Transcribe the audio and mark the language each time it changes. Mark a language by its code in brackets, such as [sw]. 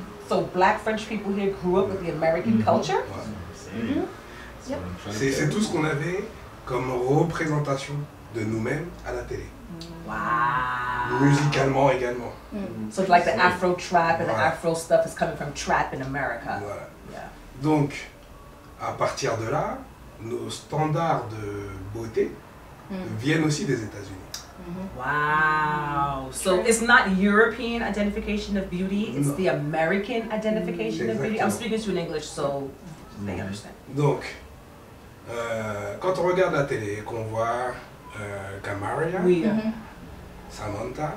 [en] So black French people here grew up with the American culture? [fr] Ouais. C'est tout ce qu'on avait comme représentation de nous-mêmes à la télé. [en] Wow. [fr] Musicalement également. [en] So it's like the Afro trap and the Afro stuff is coming from trap in America. [fr] Voilà. [en] Yeah. [fr] Donc, à partir de là, nos standards de beauté viennent aussi des États-Unis. [en] Wow. So it's not European identification of beauty, it's the American identification of beauty. I'm speaking to you in English, so they understand. [fr] Donc, quand on regarde la télé, qu'on voit Camaria, Samantha,